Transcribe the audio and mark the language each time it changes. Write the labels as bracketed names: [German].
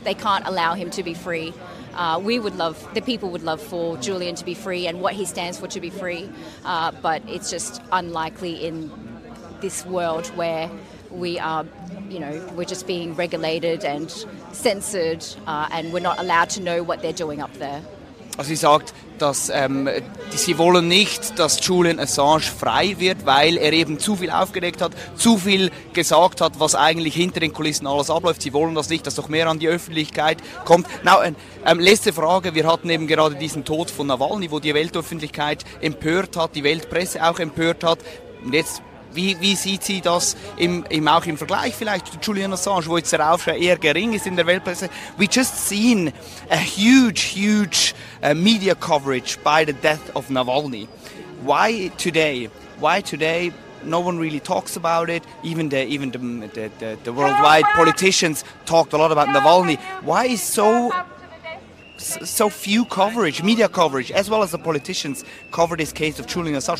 [English] They can't allow him to be free. The people would love for Julian to be free and what he stands for to be free, but it's just unlikely in this world where we are, you know, we're just being regulated and censored, and we're not allowed to know what they're doing up there. [German] Also sie sagt, dass sie wollen nicht, dass Julian Assange frei wird, weil er eben zu viel aufgedeckt hat, zu viel gesagt hat, was eigentlich hinter den Kulissen alles abläuft. Sie wollen das nicht, dass doch mehr an die Öffentlichkeit kommt. Letzte Frage, wir hatten eben gerade diesen Tod von Nawalny, wo die Weltöffentlichkeit empört hat, die Weltpresse auch empört hat. Und jetzt, wie sieht sie das auch im Vergleich vielleicht zu Julian Assange, wo jetzt der Aufschrei eher gering ist in der Weltpresse? [English] We just seen a huge, huge media coverage by the death of Nawalny. Why today? Why today? No one really talks about it. Even the worldwide politicians talked a lot about Nawalny. Why is so few coverage, media coverage, as well as the politicians cover this case of Julian Assange?